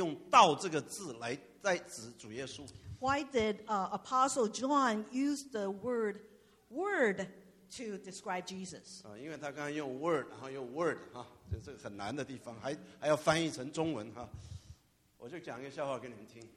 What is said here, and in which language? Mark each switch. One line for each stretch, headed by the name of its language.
Chinese: 为什么使徒约翰在约翰福音这边用道这个字来代指主耶稣？
English: Why did Apostle John use the word word to describe Jesus?
Chinese: 因为他刚刚用 word， 然后用 word， 这是很难的地方，还要翻译成中文。我就讲一个笑话给你们听。